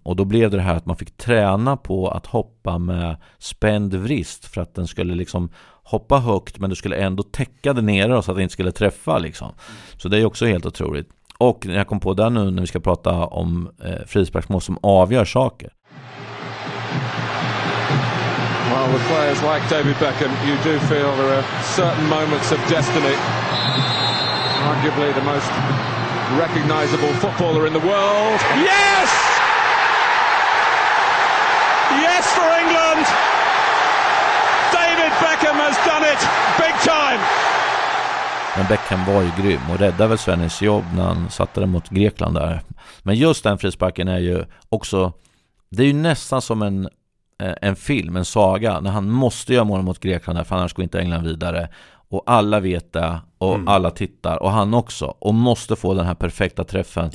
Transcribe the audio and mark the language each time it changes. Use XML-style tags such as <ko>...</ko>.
<sv>Och då blev det här att man fick träna på att hoppa med spänd vrist för att den skulle liksom hoppa högt, men du skulle ändå täcka det nere så att det inte skulle träffa liksom. Så det är också helt otroligt. Och jag kom på det nu när vi ska prata om frisparksmål som avgör saker.</sv> <en>Well, with players like David Beckham, you do feel there are certain moments of destiny. Arguably the most recognizable footballer in the world. Yes! Yes for England! David Beckham has done it big time!</en> <sv>Men Beckham var ju grym och räddade väl Svennis jobb när han satte den mot Grekland där. Men just den frisparken är ju också, det är ju nästan som en film, en saga, när han måste göra mål mot Grekland där, för annars går inte England vidare, och alla vet det och alla tittar, och han också, och måste få den här perfekta träffen</sv>